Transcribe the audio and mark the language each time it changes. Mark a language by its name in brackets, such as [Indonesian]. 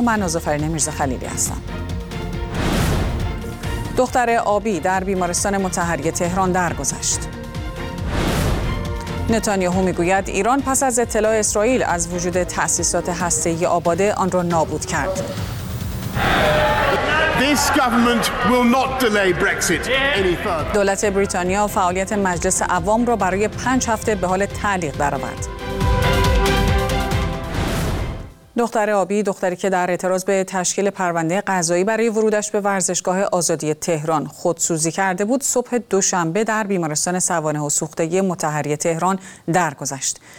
[Persian] من نازافرین میرزا خلیلی هستم. دختر آبی در بیمارستان مطهری تهران درگذشت. نتانیاهو میگوید ایران پس از اطلاع اسرائیل از وجود تأسیسات هسته‌ای آباده آن را نابود کرد. [English] This government will not delay Brexit any further. [Persian] دولت بریتانیا فعالیت مجلس عوام را برای 5 هفته به حال تعلیق درآورد. دختر آبی، دختری که در اعتراض به تشکیل پرونده قضایی برای ورودش به ورزشگاه آزادی تهران خودسوزی کرده بود، صبح دوشنبه در بیمارستان سوانح و سوختگی مطهری تهران درگذشت.